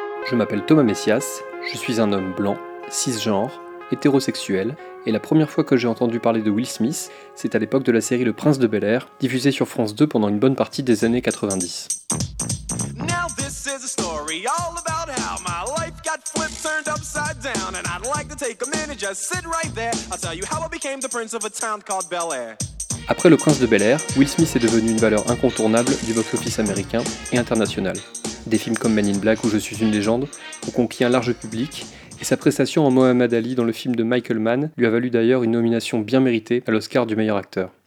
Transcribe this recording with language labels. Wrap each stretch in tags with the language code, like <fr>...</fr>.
<fr>Je m'appelle Thomas Messias, je suis un homme blanc, cisgenre, hétérosexuel, et la première fois que j'ai entendu parler de Will Smith, c'est à l'époque de la série Le Prince de Bel-Air, diffusée sur France 2 pendant une bonne partie des années 90.</fr> <en>Now this is a story all about how my life got flipped, turned upside down, and I'd like to take a minute, just sit right there, I'll tell you how I became the prince of a town called Bel-Air.</en> <fr>Après Le Prince de Bel-Air, Will Smith est devenu une valeur incontournable du box-office américain et international. Des films comme Men in Black ou Je suis une légende ont conquis un large public, et sa prestation en Mohamed Ali dans le film de Michael Mann lui a valu d'ailleurs une nomination bien méritée à l'Oscar du meilleur acteur.</fr>